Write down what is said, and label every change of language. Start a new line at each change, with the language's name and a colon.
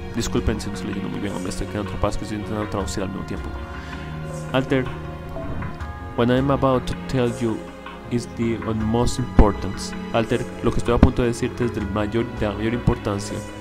Spanish: Disculpen si no estoy leyendo muy bien, me estoy quedando atrapado, que estoy intentando traducir al mismo tiempo.
English: Alter, what I'm about to tell you is the most importance.
Spanish: Alter, lo que estoy a punto de decirte es de la mayor importancia.